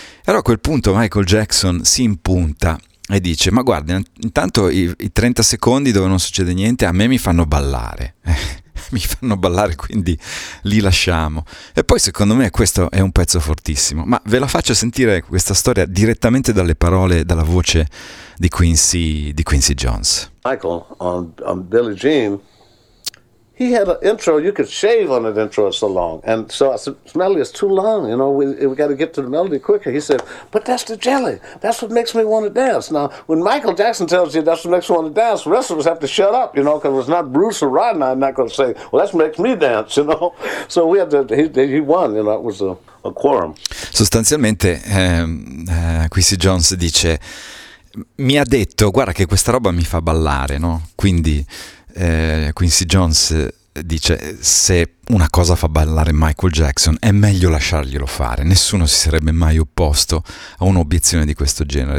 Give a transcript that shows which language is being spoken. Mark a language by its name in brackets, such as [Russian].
[Italian] Però a quel punto Michael Jackson si impunta e dice: ma guardi, intanto i 30 secondi dove non succede niente a me mi fanno ballare. Mi fanno ballare, quindi li lasciamo. E poi secondo me questo è un pezzo fortissimo. Ma ve la faccio sentire questa storia direttamente dalle parole, dalla voce di Quincy, Jones. [English] Michael, on Billie Jean, he had an intro, you could shave on an intro, it's so long. And so I said, Smelly, it's too long, you know, we got to get to the melody quicker. He said, but that's the jelly, that's what makes me want to dance. Now, when Michael Jackson tells you that's what makes me want to dance, the rest of us have to shut up, you know, because it's not Bruce or Rodney, I'm not going to say, well, that's what makes me dance, you know. So we had to, he won, you know, it was a quorum. [Italian] Sostanzialmente, Quincy Jones dice, mi ha detto, guarda che questa roba mi fa ballare, no? Quindi... Quincy Jones dice: se una cosa fa ballare Michael Jackson è meglio lasciarglielo fare. Nessuno si sarebbe mai opposto a un'obiezione di questo genere.